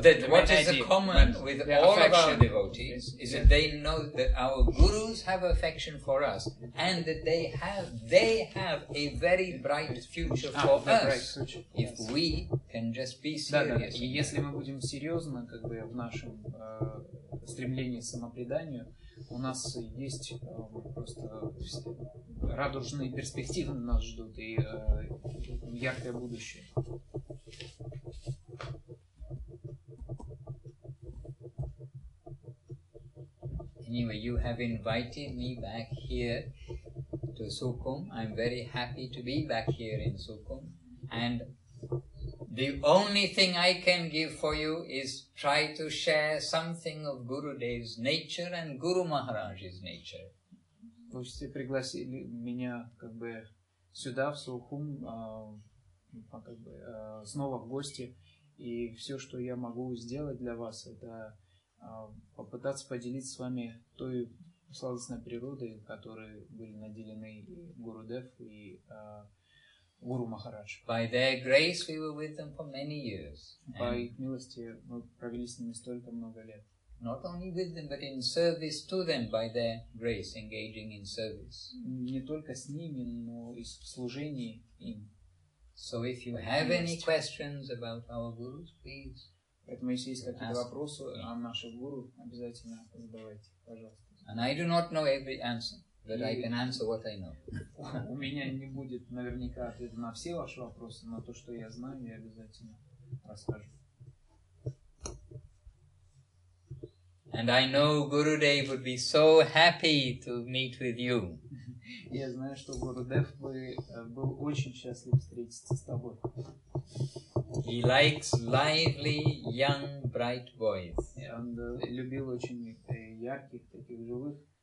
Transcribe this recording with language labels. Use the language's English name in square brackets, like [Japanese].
[English] What is common with all of our devotees is that they know that our gurus have affection for us and that they have a very bright future for us if we can just be serious. [Russian] И если мы будем серьезно, как бы в нашем стремлении к самопреданию, у нас есть просто радужные перспективы нас ждут и яркое будущее. [English] Anyway, you have invited me back here to Sukhum. I'm very happy to be back here in Sukhum. And the only thing I can give for you is try to share something of Gurudev's nature and Guru Maharaj's nature. [Russian] Вы все пригласили меня как бы сюда, в Сухум, как бы, снова в гости. И все, что я могу сделать для вас, это попытаться поделиться с вами той сладостной природой, которой были наделены и Гурудев, и Гуру Махарадж. [English] By their grace we were with them for many years. [Russian] По их милости мы провели с ними столько много лет. [English] Not only with them, but in service to them, by their grace, engaging in service. [Russian] Не только с ними, но и в служении им. [English] So if you have any questions about our gurus, please. [Russian] Поэтому если есть какие-то вопросы о наших гуру, обязательно задавайте, пожалуйста. [English] And I do not know every answer. That I can answer what I know. [Russian] У меня не будет наверняка ответа на все ваши вопросы, но то, что я знаю, я обязательно расскажу. [English] And I know Gurudev would be so happy to meet with you. [Russian] Я знаю, что Гурудев был очень счастлив встретиться с тобой. [English] He likes lively, young, bright boys. [Russian] Он любил очень ярких, таких живых.